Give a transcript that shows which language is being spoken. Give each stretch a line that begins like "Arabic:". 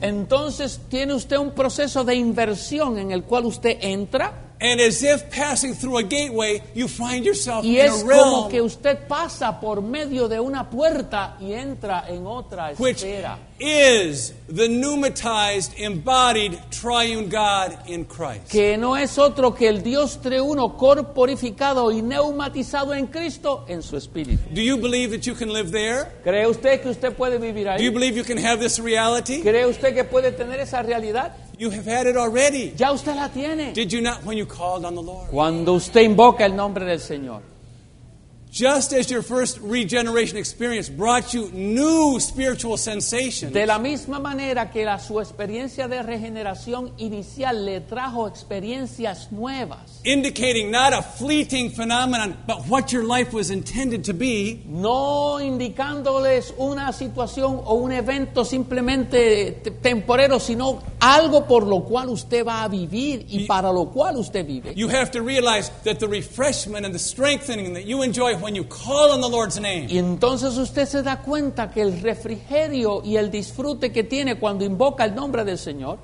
Spanish: Entonces tiene usted un proceso de inversión en el cual usted entra.
English: And as if passing through a gateway, you find yourself
Spanish: y
English: in a realm.
Spanish: Como que usted pasa por medio de una puerta y entra en otra esfera.
English: Which is the pneumatized, embodied triune God in Christ.
Spanish: Que no es otro que el Dios triuno corporificado y neumatizado en Cristo en su espíritu.
English: Do you believe that you can live there?
Spanish: ¿Cree usted que usted puede vivir ahí?
English: Do you believe you can have this reality?
Spanish: ¿Cree usted que puede tener esa realidad?
English: You have had it already.
Spanish: Ya usted la tiene.
English: Did you not when you called on the Lord?
Spanish: Cuando usted invoca el nombre del Señor.
English: Just as your first regeneration experience brought you new spiritual sensations.
Spanish: De la misma manera que su experiencia de regeneración inicial le trajo experiencias nuevas.
English: Indicating not a fleeting phenomenon, but what your life was intended to be.
Spanish: No indicándoles una situación o un evento simplemente temporero, sino algo por lo cual usted va a vivir y para lo cual usted vive.
English: You have to realize that the refreshment and the strengthening that you enjoy when you call on the Lord's name.
Spanish: Y entonces usted se da cuenta que el refrigerio y el disfrute que tiene cuando invoca el nombre del Señor